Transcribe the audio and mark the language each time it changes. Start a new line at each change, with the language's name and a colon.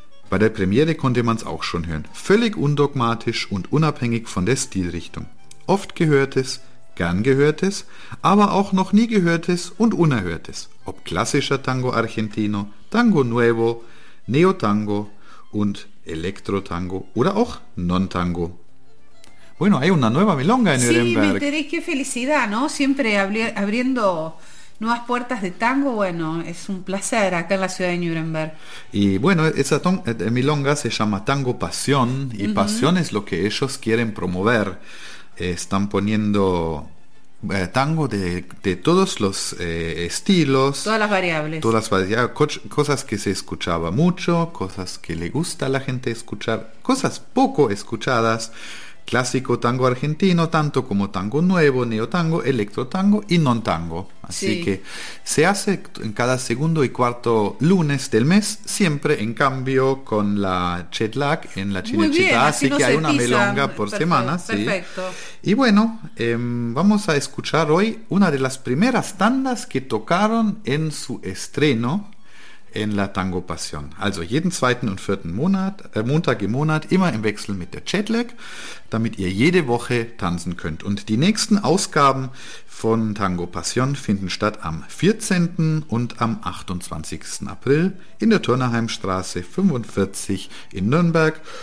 German: Bei der Premiere konnte man es auch schon hören. Völlig undogmatisch und unabhängig von der Stilrichtung. Oft Gehörtes, gern Gehörtes, aber auch noch nie Gehörtes und Unerhörtes. Ob klassischer Tango Argentino, Tango Nuevo, Neo-Tango und Electro-Tango oder auch Non-Tango.
Spanish: Bueno, hay una nueva milonga en Nürnberg. Sí, me enteré, qué felicidad, ¿no? Siempre abriendo nuevas puertas de tango. Bueno, es un placer acá en la ciudad de Nürnberg. Y bueno, esa milonga se llama Tango Pasión y Pasión es lo que ellos quieren promover. Están poniendo tango de todos los estilos. Todas las variables. Todas las variables. Cosas que se escuchaba mucho, cosas que le gusta a la gente escuchar, cosas poco escuchadas. Clásico tango argentino, tanto como tango nuevo, neotango, electrotango y non tango. Así que se hace en cada segundo y cuarto lunes del mes, siempre en cambio con la jet lag en la Chinechita, así que hay una milonga por semana. Perfecto. Y bueno, vamos a escuchar hoy una de las primeras tandas que tocaron en su estreno en la Tango Passion.
German: Also jeden zweiten und vierten Monat, Montag im Monat, immer im Wechsel mit der Jetlag, damit ihr jede Woche tanzen könnt. Und die nächsten Ausgaben von Tango Passion finden statt am 14. und am 28. April in der Turnerheimstraße 45 in Nürnberg.